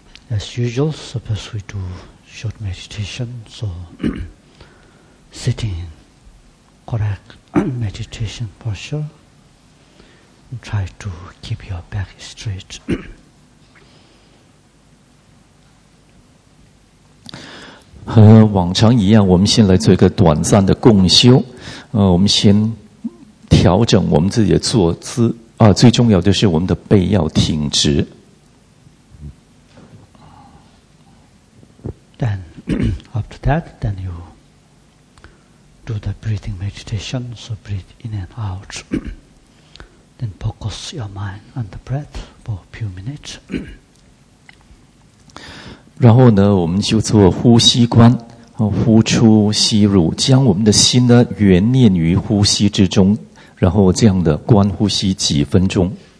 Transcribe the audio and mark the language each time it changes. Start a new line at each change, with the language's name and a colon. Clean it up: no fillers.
English: as usual, suppose we do short meditation, so sitting in correct meditation posture, and try to keep your back straight.
Chinese: 和往常一样，我们先来做一个短暂的共修，我们先调整我们自己的坐姿。最重要的是我们的背要挺直。
English: Then after that, then you do the breathing meditation. So breathe in and out. Then focus your mind on the breath for a few minutes.
Chinese: 然后呢，我们就做呼吸观，呼出吸入，将我们的心呢原念于呼吸之中。然后这样的观呼吸几分钟。